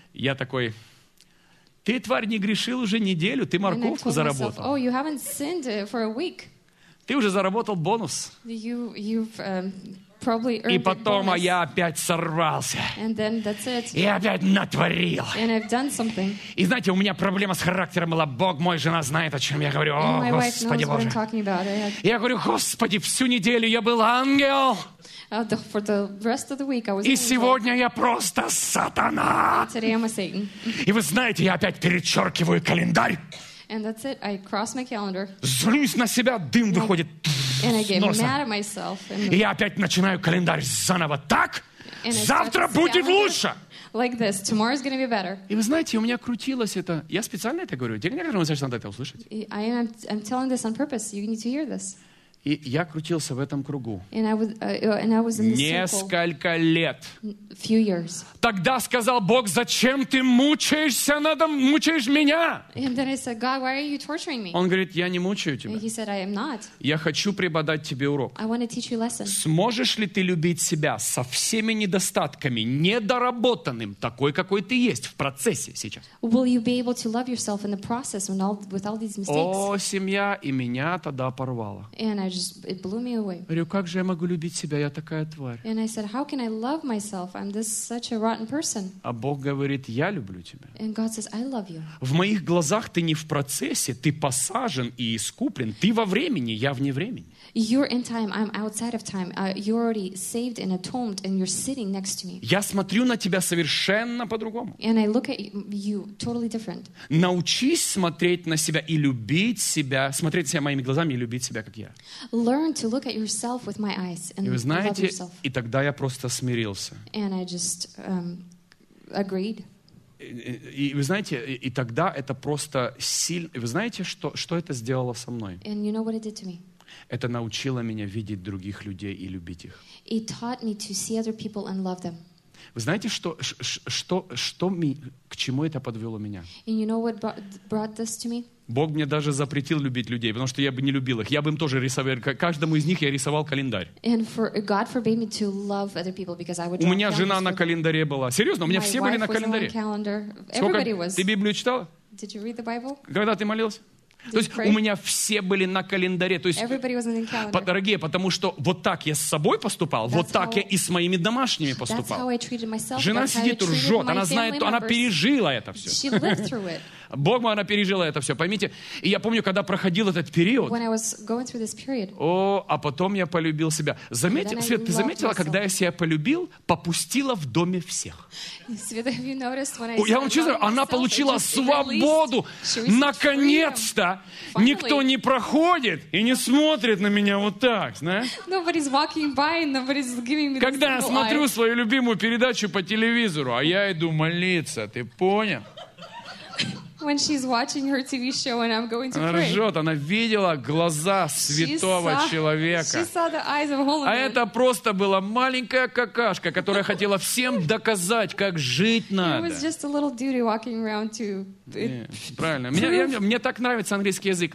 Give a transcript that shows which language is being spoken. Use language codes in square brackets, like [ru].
[ru] Я такой: ты, тварь, не грешил уже неделю, ты морковку заработал. [en] Myself, oh, you haven't sinned for a week. [ru] Ты уже заработал бонус. [en] Probably earned [ru] и потом [en] bonus. [ru] А я опять сорвался. [en] And then that's it. [ru] И опять натворил. [en] And I've done something. [ru] И знаете, у меня проблема с характером была. Бог, моя жена знает, о чем я говорю. О, Господи Боже. Я говорю: Господи, всю неделю я был ангел. [en] For the rest of the week, I was [ru] и сегодня я просто сатана. [en] Today I'm a Satan. [ru] И вы знаете, я опять перечеркиваю календарь. [en] And that's it. I cross my calendar. [ru] Злюсь на себя, дым [en] and [ru] выходит с носа. [en] Mad at myself, [ru] и я опять начинаю календарь заново. Так, завтра будет лучше. [en] Like this. Tomorrow's gonna be better. [ru] И вы знаете, у меня крутилось это. Я специально это говорю. Тебе, наверное, сейчас надо это услышать. [en] I'm telling this on purpose. You need to hear this. [ru] И я крутился в этом кругу. [en] And I was in this [ru] несколько [en] circle. [ru] Лет. [en] Few years. [ru] Тогда сказал Бог: зачем ты мучаешься надо, мучаешь меня? [en] And then I said, God, why are you torturing me? [ru] Он говорит: я не мучаю тебя. [en] And he said, I am not. [ru] Я хочу преподать тебе урок. [en] I want to teach you lesson. [ru] Сможешь ли ты любить себя со всеми недостатками, недоработанным, такой, какой ты есть, в процессе сейчас? [en] Will you be able to love yourself in the process with all these mistakes? [ru] О, семья, и меня тогда порвало. [en] It blew me away. [ru] Говорю: как же я могу любить себя? Я такая тварь. [en] And I said, how can I love myself? I'm this such a rotten person. [ru] А Бог говорит: я люблю тебя. [en] And God says, I love you. [ru] В моих глазах ты не в процессе, ты посажен и искуплен. Ты во времени, я вне времени. [en] You're in time, I'm outside of time. You're already saved and atoned, and you're sitting next to me. [ru] Я смотрю на тебя совершенно по-другому. [en] And I look at you totally different. [ru] Научись смотреть на себя и любить себя, смотреть себя моими глазами и любить себя, как я. [en] Learn to look at yourself with my eyes and love yourself. [ru] И вы знаете, и тогда я просто смирился. [en] And I just agreed. [ru] И вы знаете, и тогда это просто сильно. Вы знаете, что это сделало со мной? [en] And you know what it did to me. [ru] Это научило меня видеть других людей и любить их. [en] It taught me to see other people and love them. [ru] Вы знаете, к чему это подвело меня? [en] And you know what brought this to me? [ru] Бог мне даже запретил любить людей, потому что я бы не любил их. Я бы им тоже рисовал, каждому из них я рисовал календарь. [en] And for, God forbade me to love other people because I would draw [ru] у меня жена на календаре была. Серьезно, у меня все были на календаре. Сколько? Ты Библию читала? [en] Did you read the Bible? [ru] Когда ты молилась? То есть у меня все были на календаре. То есть, дорогие, потому что вот так я с собой поступал, [en] that's [ru] вот так [en] how, [ru] я и с моими домашними поступал. Жена сидит, ржет, она знает, она пережила это все. Бог мой, она пережила это все, поймите. И я помню, когда проходил этот период, а потом я полюбил себя. Заметил, Свет, ты заметила, [en] myself. [ru] Когда я себя полюбил, попустила в доме всех? Свет, я вам честно говорю, она получила свободу. Наконец-то! [en] Finally. [ru] Никто не проходит и не смотрит на меня вот так, знаешь? Когда я смотрю свою любимую передачу по телевизору, а я иду молиться, ты понял? [en] when she's watching her TV show and I'm going to pray. [ru] Она ржет, она видела глаза святого человека. [en] She saw the eyes of holy man. [ru] А это просто была маленькая какашка, которая хотела всем доказать, как жить надо. [en] It was just a little dude walking around to... [ru] Правильно. Мне так нравится английский язык.